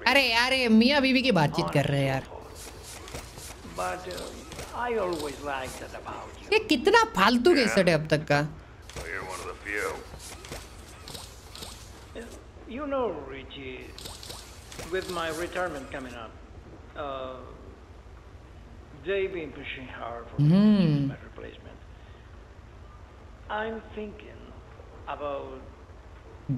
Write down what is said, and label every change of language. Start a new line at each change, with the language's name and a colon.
Hindi: अरे अरे मिया बीबी की बातचीत कर रहे हैं यार।
English: But I always liked that about you.
Hindi: ये कितना फालतू कैसेट है अब तक का?
English: Well, you're one of the few. You know, Richie, with my retirement coming up, they've been pushing hard for my replacement. I'm thinking about